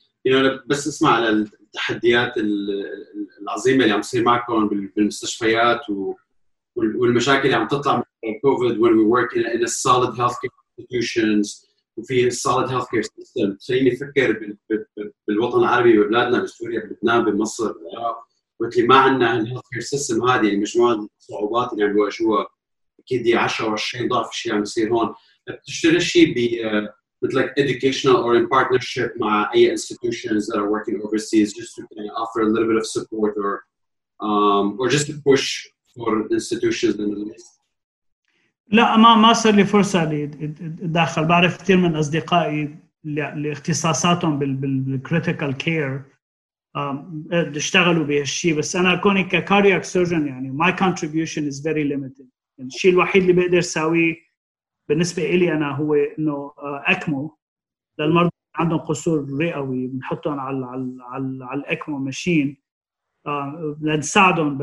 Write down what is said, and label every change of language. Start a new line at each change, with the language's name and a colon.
Arabic: يعني بس اسمع على التحديات العظيمة اللي عم تصير معكم بالمستشفيات والمشاكل اللي عم تطلع من الكوفيد
English: when we work in a solid healthcare institutions
Arabic: وفي
English: solid healthcare system.
Arabic: خليني أفكر بالوطن العربي وبلادنا بسوريا بلبنان بمصر بالعراق، قلت لي ما عندنا healthcare system. هذه مجموعة صعوبات اللي عم بواجهوها أكيد 10-20 ضعف الشيء عم يصير هون. بتشتغل شيء ب مثل
English: like educational or in partnership
Arabic: مع أي
English: institutions that are working overseas just to kind of offer a little bit of support or just to push for institutions in the least.
Arabic: لا ما صار لي فرصة لداخل. بعرف كثير من أصدقائي لاختصاصاتهم بالcritical care اشتغلوا بهالشي، بس أنا كوني كcardiac surgeon يعني
English: my contribution is very limited.
Arabic: الشيء الوحيد اللي بقدر ساويه بالنسبة إلي أنا هو إنه ECMO للمرضى عندهم قصور رئوي بنحطهم على ECMO machine لنساعدهم.